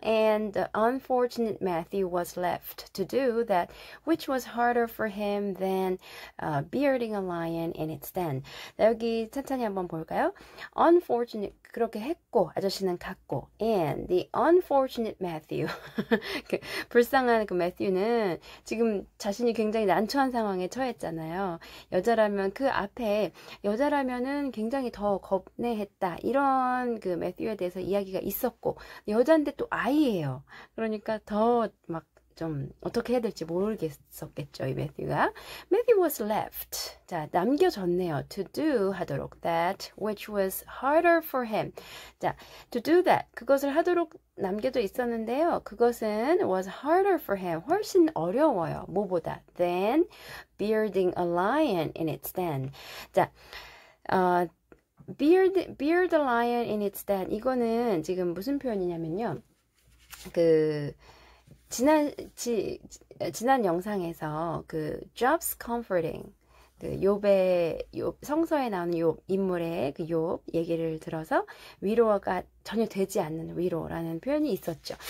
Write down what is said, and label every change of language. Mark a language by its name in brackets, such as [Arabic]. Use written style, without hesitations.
[English] And the unfortunate Matthew was left to do that, which was harder for him than bearding a lion in its den. [Korean] 여기 천천히 한번 볼까요? [English] Unfortunate, [Korean] 그렇게 했고, 아저씨는 갔고. [English] And the unfortunate Matthew. [Korean] 그 불쌍한 그 Matthew는 지금 자신이 굉장히 난처한 상황에 처했잖아요. 여자라면 그 앞에 여자라면은 굉장히 더 겁내했다. 이런 그 매튜에 대해서 이야기가 있었고 여잔데 또 아이예요. 그러니까 더막좀 어떻게 해야 될지 모르겠었겠죠, 이 매튜가. [English] Matthew was left. [Korean] 자, 남겨졌네요. [English] To do [Korean] 하도록 [English] that which was harder for him. 자, to do that. [Korean] 그것을 하도록 남겨져 있었는데요. 그것은 [English] was harder for him. [Korean] 훨씬 어려워요. 뭐보다 [English] than bearding a lion in its den. 자, beard a lion in its den. [Korean] 이거는 지금 무슨 표현이냐면요. 그 지난 영상에서 그 [English] Job's comforting. [Korean] 그 성서에 나오는 인물의 그욥 얘기를 들어서 위로가 전혀 되지 않는 위로라는 표현이 있었죠.